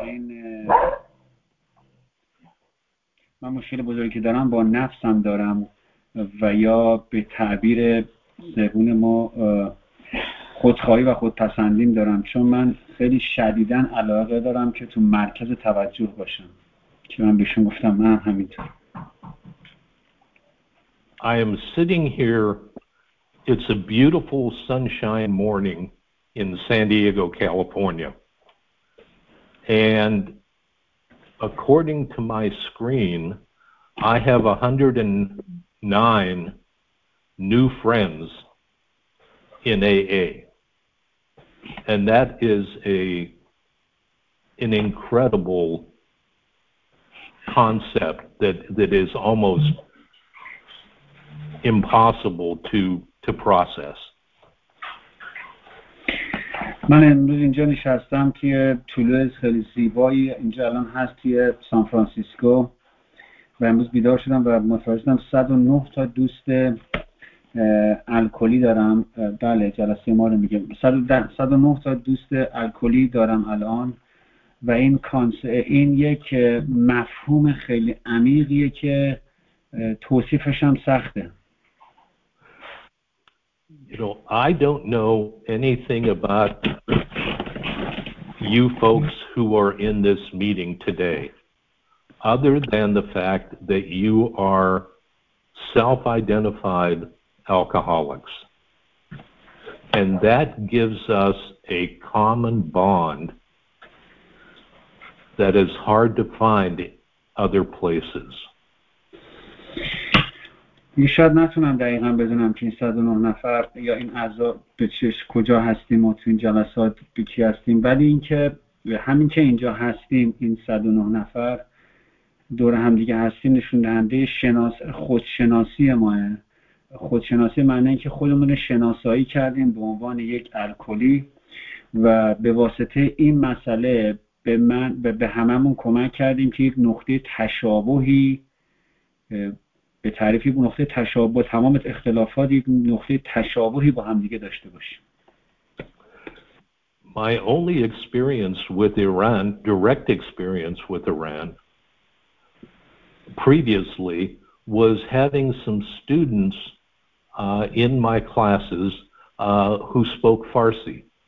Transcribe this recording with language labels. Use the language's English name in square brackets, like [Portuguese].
[Persian] این من مشکل بزرگی که دارم با نفسم دارم و یا به تعبیر زبون ما خودخواهی و خودپسندیم دارم چون من خیلی شدیداً علاقه دارم که تو مرکز توجه باشم که من بهشون گفتم من همینطور. [English] I am sitting here. It's a beautiful sunshine morning in San Diego, California. And according to my screen, I have 109 new friends in AA. And that is an incredible concept that is almost impossible to process. [Persian] من امروز اینجا نشستم توی طلوع خیلی زیبایی اینجا الان هست توی سان فرانسیسکو و امروز بیدار شدم و متوجه شدم 109 تا دوست الکلی دارم. بله جلسه ما رو میگم 109 تا دوست الکلی دارم الان و این یک مفهوم خیلی عمیقیه که توصیفش هم سخته. [English] You know, I don't know anything about you folks who are in this meeting today, other than the fact that you are self-identified alcoholics. And that gives us a common bond that is hard to find other places. [Persian] یه شاید نتونم دقیقا بدونم که این 109 نفر یا این اعضا به چش کجا هستیم و تو این جلسات به کی هستیم ولی اینکه همین که اینجا هستیم این 109 نفر دور هم دیگه هستیم نشون دهنده خودشناسی ماه. خودشناسی معنی این که خودمون شناسایی کردیم به عنوان یک الکلی و به واسطه این مسئله به هممون کمک کردیم که یک نقطه تشابهی به تعریفی نقطه تشابه با تمام اختلافات یک نقطه تشابهی با هم دیگه داشته باشیم. [English] My only experience with Iran, direct experience with Iran, previously was having some students in my classes who spoke Farsi.